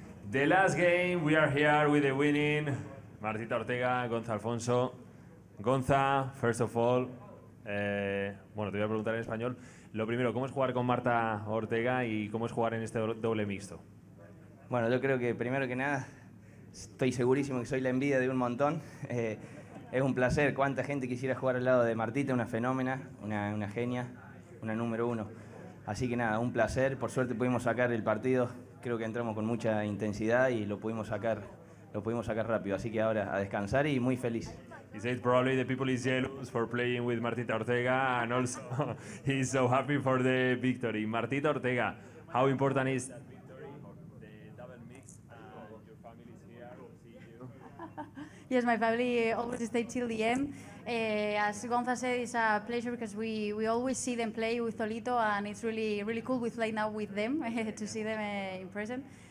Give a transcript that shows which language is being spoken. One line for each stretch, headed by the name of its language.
English: The last game, we are here with the winning, Martita Ortega, Gonzalo Alfonso.
Spanish: Gonza,
English: first of all,
Spanish: bueno, te voy a preguntar en español. Lo primero, ¿cómo es jugar con Marta Ortega y cómo es jugar en este doble mixto? Bueno, yo creo que primero que nada, estoy segurísimo que soy la envidia de un montón. Es un placer, cuánta gente quisiera jugar al lado de Martita, una fenómena, una genia, una número uno. Así que nada, un placer. Por suerte pudimos sacar el partido. Creo que entramos con mucha intensidad y lo pudimos sacar rápido. Así que ahora a descansar y muy feliz.
English: He said probably the people is jealous for playing with Martita Ortega, and also he's so happy for the victory. Martita Ortega, how important is that victory, the double mix, and your family is here, seeing you? Yes, my family always stay till the end. As Gonza said, it's a pleasure because we always see them play with Tolito, and it's really, really cool we play now with them, to see them in person.